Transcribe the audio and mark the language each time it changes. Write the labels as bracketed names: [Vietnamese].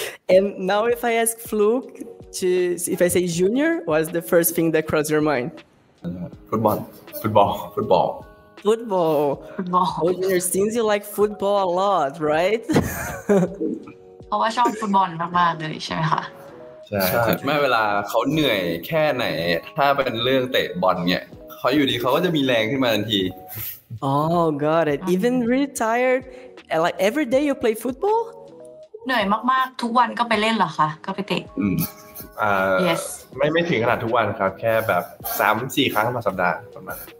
[English] And now if I ask Fluk to, if I say Junior, what's the first thing that crosses your mind? Football. Football. Oh, Junior, since you like football a lot, right? [Thai] เพราะว่าชอบฟุตบอลมากๆเลยใช่ไหมคะ ใช่แม้เวลาเขาเหนื่อยแค่ไหนถ้าเป็นเรื่องเตะบอลเนี่ยเขาอยู่ดีเขาก็จะมีแรงขึ้นมาทันที [English] Oh got it even really tired like every day you play football [Thai] เหนื่อยมากๆทุกวันก็ไปเล่นเหรอคะก็ไปเตะ Yes ไม่ถึงขนาดทุกวันครับแค่แบบ 3-4 ครั้งต่อสัปดาห์ประมาณ